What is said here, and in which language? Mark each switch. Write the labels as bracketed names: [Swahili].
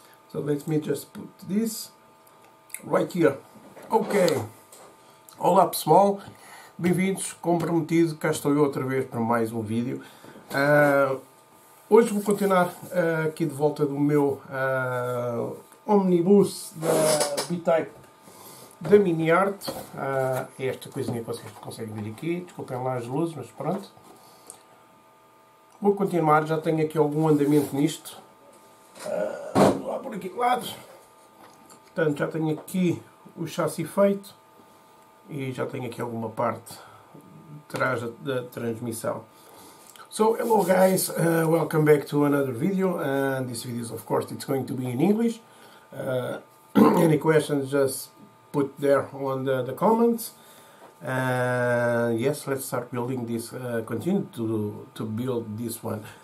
[English] So let me just put this right here. Okay. [Portuguese] Olá pessoal, bem-vindos, comprometido, cá estou eu outra vez para mais um vídeo. Hoje vou continuar aqui de volta do meu Omnibus da B-Type da Miniart. É esta coisinha que vocês conseguem ver aqui, desculpem lá as luzes, mas pronto. Vou continuar, já tenho aqui algum andamento nisto. Vou lá por aqui de lado. Portanto, já tenho aqui o chassi feito. E já tenho aqui alguma parte atrás da transmissão. [English] So, hello guys, welcome back to another video. And this video is, of course, it's going to be in English. Any questions, just put there on the comments. And yes, let's start building this, continue to build this one.